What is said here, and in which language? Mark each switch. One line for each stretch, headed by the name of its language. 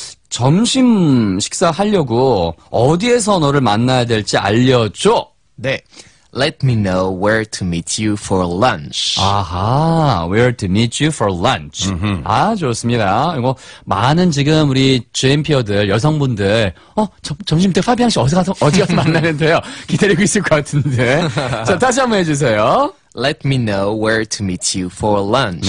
Korean: 점심 식사 하려고 어디에서 너를 만나야 될지 알려줘. 네.
English: Let me know where to meet you for lunch. 아하, where to meet you for lunch. Mm-hmm.
Korean: 아, 좋습니다. 이거 많은 지금 우리 GMP어들, 여성분들, 점심 때 파비앙 씨 어디 가서 만나는데요? 기다리고 있을 것 같은데. 자, 다시 한번 해주세요.
English: Let me know where to meet you for lunch.